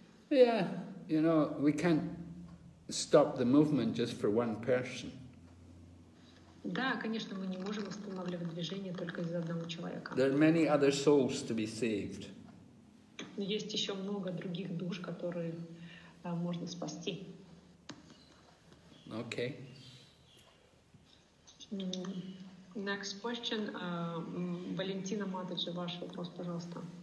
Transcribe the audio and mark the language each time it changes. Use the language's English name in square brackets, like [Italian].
[English] Yeah, you know, we can't stop the movement just for one person. [Russian] Да, конечно, мы не можем останавливать движение только из-за одного человека. [English] There are many other souls to be saved. [Russian] Есть еще много других душ, которые можно спасти. [English] Okay. Next question. [Russian] Валентина Матаджи, ваш вопрос, пожалуйста.